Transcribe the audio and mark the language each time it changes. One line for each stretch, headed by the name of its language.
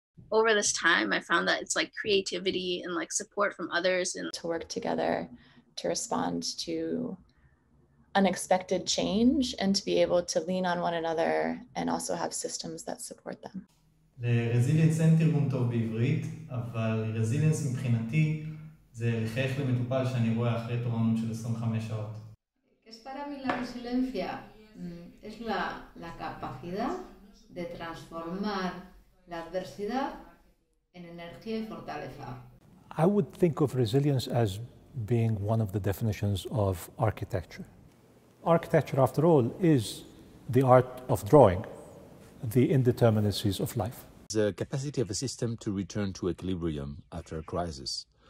English: over this time, I found that it's like creativity and like support from others and to work together to respond to unexpected change and to be able to lean on one another and also have systems that support them.
Hebrew: לרזיליאנס אין תרגום טוב בעברית, אבל רזיליאנס מבחינתי זה לחייך למטופל שאני רואה אחרי תורנות של 25 שעות.
Spanish: Es para mí la resiliencia es la capacidad de transformar la adversidad en energía y fortaleza.
English: I would think of resilience as being one of the definitions of architecture. Architecture, after all, is the art of drawing the indeterminacies of life. The capacity of a system to return to equilibrium after a crisis.